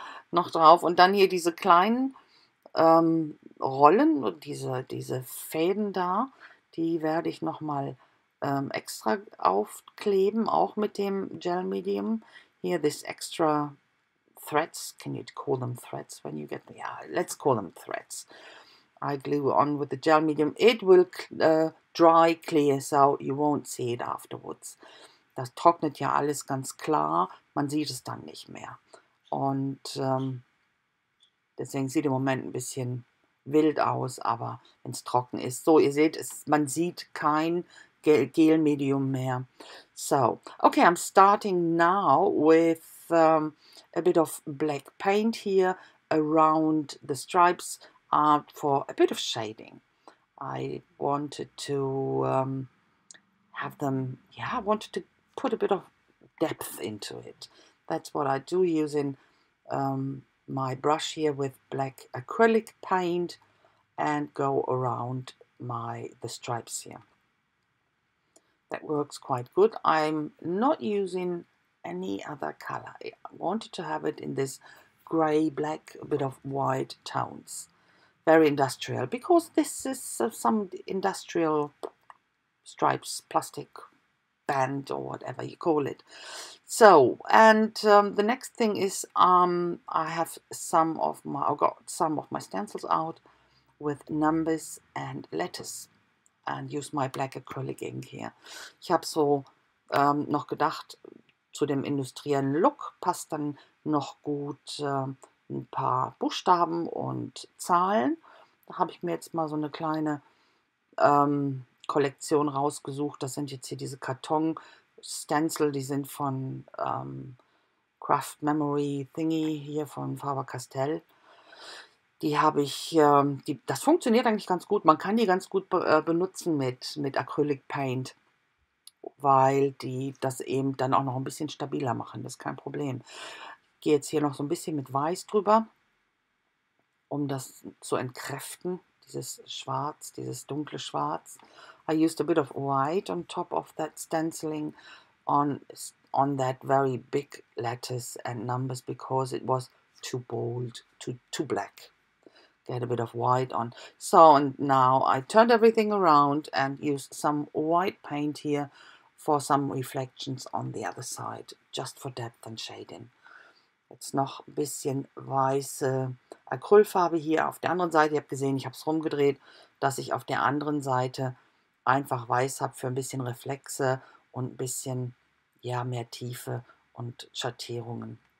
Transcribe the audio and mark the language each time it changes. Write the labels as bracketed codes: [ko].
[de] Noch drauf. Und dann hier diese kleinen Rollen und diese Fäden da, die werde ich nochmal extra aufkleben, auch mit dem Gel Medium. [en] Hier, this extra threads, can you call them threads when you get them? Yeah, let's call them threads. I glue on with the Gel Medium. It will dry clear, so you won't see it afterwards. [de] Das trocknet ja alles ganz klar, man sieht es dann nicht mehr. Und deswegen sieht im Moment ein bisschen wild aus, aber wenn es trocken ist. So, ihr seht, man sieht kein Gel-Medium mehr. [en] So, okay, I'm starting now with a bit of black paint here around the stripes for a bit of shading. I wanted to have them, yeah, I wanted to put a bit of depth into it. That's what I do using my brush here with black acrylic paint and go around the stripes here. That works quite good. I'm not using any other color. I wanted to have it in this gray black, a bit of white tones. Very industrial, because this is some industrial stripes, plastic band or whatever you call it. So, and the next thing is I have got some of my stencils out with numbers and letters and use my black acrylic ink here. [de] Ich habe so noch gedacht, zu dem industriellen Look passt dann noch gut ein paar Buchstaben und Zahlen. Da habe ich mir jetzt mal so eine kleine Kollektion rausgesucht. Das sind jetzt hier diese Karton-Stencil, die sind von Craft Memory Thingy hier von Faber-Castell. Die habe ich, das funktioniert eigentlich ganz gut. Man kann die ganz gut benutzen mit Acrylic Paint, weil die das eben dann auch noch ein bisschen stabiler machen. Das ist kein Problem. Ich gehe jetzt hier noch so ein bisschen mit Weiß drüber, um das zu entkräften. Dieses Schwarz, dieses dunkle Schwarz. [en] I used a bit of white on top of that stenciling on that very big letters and numbers because it was too bold, too black. Get a bit of white on. So, and now I turned everything around and used some white paint here for some reflections on the other side, just for depth and shading. [de] Jetzt noch ein bisschen weiße Acrylfarbe hier auf der anderen Seite. Ihr habt gesehen, ich habe es rumgedreht, dass ich auf der anderen Seite einfach weiß habe für ein bisschen Reflexe und ein bisschen, ja, mehr Tiefe und Schattierungen.